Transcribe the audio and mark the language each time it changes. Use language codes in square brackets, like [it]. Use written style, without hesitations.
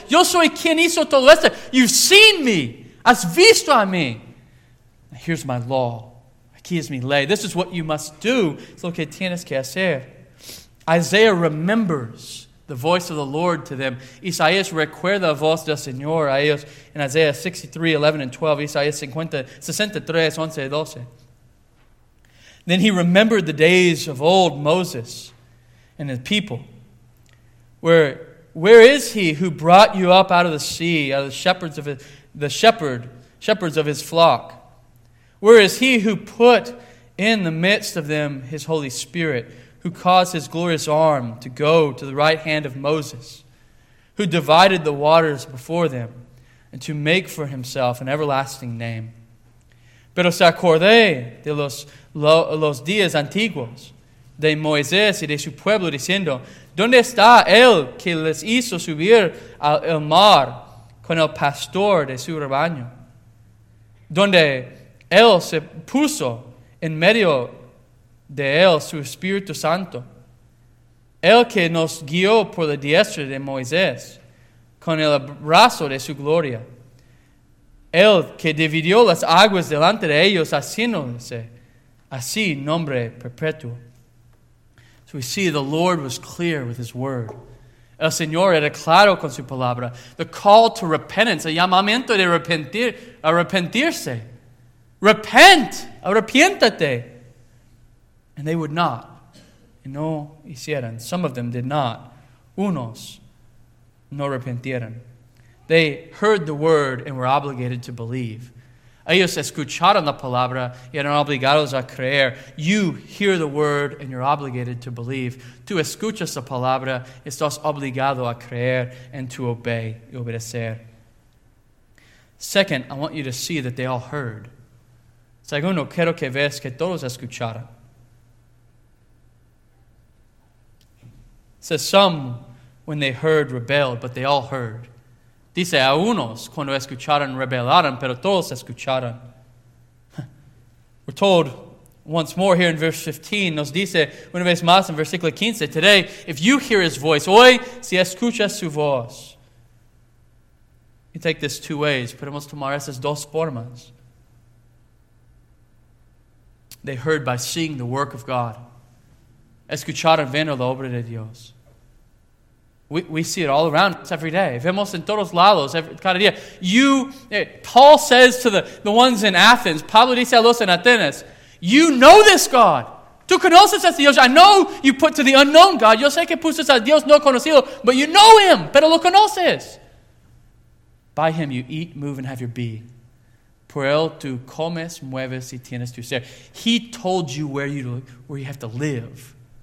[es] Yo soy quien hizo todo esto. [en] You've seen me. [es] Has visto a mí. [en] Here's my law. [es] Aquí es mi ley. [en] This is what you must do. [es] Es lo que tienes que hacer. [en] Isaiah remembers the voice of the Lord to them. [es] Isaías recuerda la voz del Señor a ellos. [en] In Isaiah 63, 11 and 12. Isaías 63, 11 and 12. Then he remembered the days of old Moses and his people. Where is he who brought you up out of the sea, out of the shepherds of his flock? Where is he who put in the midst of them his Holy Spirit, who caused his glorious arm to go to the right hand of Moses, who divided the waters before them, and to make for himself an everlasting name? [es] Pero se acordé de los días antiguos. de Moisés y de su pueblo diciendo, ¿dónde está él que les hizo subir al mar con el pastor de su rebaño? ¿Dónde él se puso en medio de él su Espíritu Santo? Él que nos guió por la diestra de Moisés con el brazo de su gloria. Él que dividió las aguas delante de ellos haciéndose así nombre perpetuo. [en] So we see the Lord was clear with his word. [es] El Señor era claro con su palabra. [en] The call to repentance, [es] el llamamiento de arrepentirse. [en] Repent, [es] arrepiéntate. [en] And they would not. [es] Y no hicieron. [en] Some of them did not. [es] Unos no arrepentieron. [en] They heard the word and were obligated to believe. [es] Ellos escucharon la palabra y eran obligados a creer. [en] You hear the word and you're obligated to believe. [es] Tú escuchas la palabra y estás obligado a creer [en] and to obey [es] y obedecer. [en] Second, I want you to see that they all heard. [es] Segundo, quiero que veas que todos escucharon. [en] Says some, when they heard, rebelled, but they all heard. [es] Dice, a unos, cuando escucharon, rebelaron, pero todos escucharon. [en] We're told once more here in verse 15, [es] nos dice, una vez más en versículo 15, [en] today, if you hear his voice, [es] hoy, si escuchas su voz. [en] You take this two ways. [es] Podemos tomar esas dos formas. [en] They heard by seeing the work of God. [es] Escucharon, viendo la obra de Dios. [en] We see it all around us every day. [es] Vemos en todos lados, cada día. [en] Paul says to the ones in Athens, [es] Pablo dice a los en Atenas, [en] you know this God. [es] Tú conoces a Dios. [en] I know you put to the unknown God. [es] Yo sé que pusiste a Dios no conocido, [en] but you know him, [es] pero lo conoces. [en] By him you eat, move, and have your being. [es] Por él tú comes, mueves, y tienes tu ser. [en] He told you where you have to live.